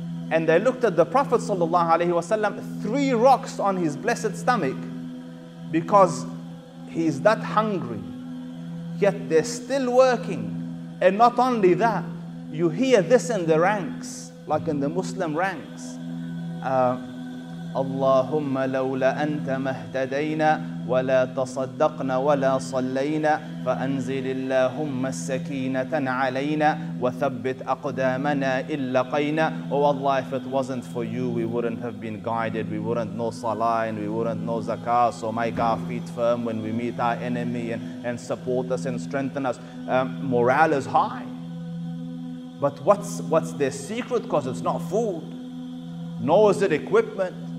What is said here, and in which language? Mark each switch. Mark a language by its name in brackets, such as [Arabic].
[English] And they looked at the Prophet sallallahu alaihi wasallam, three rocks on his blessed stomach, because he's that hungry. Yet they're still working. And not only that, you hear this in the ranks, like in the Muslim ranks. [Arabic] اللهم لولا أنت ما اهتدينا ولا تصدقنا ولا صلينا فأنزل اللهم السكينة علينا وثبت أقدامنا إن لقينا. [English] Oh Allah, if it wasn't for you, we wouldn't have been guided. We wouldn't know Salah and we wouldn't know Zakah. So make our feet firm when we meet our enemy and support us and strengthen us. Morale is high. But what's their secret? Because it's not food, nor is it equipment.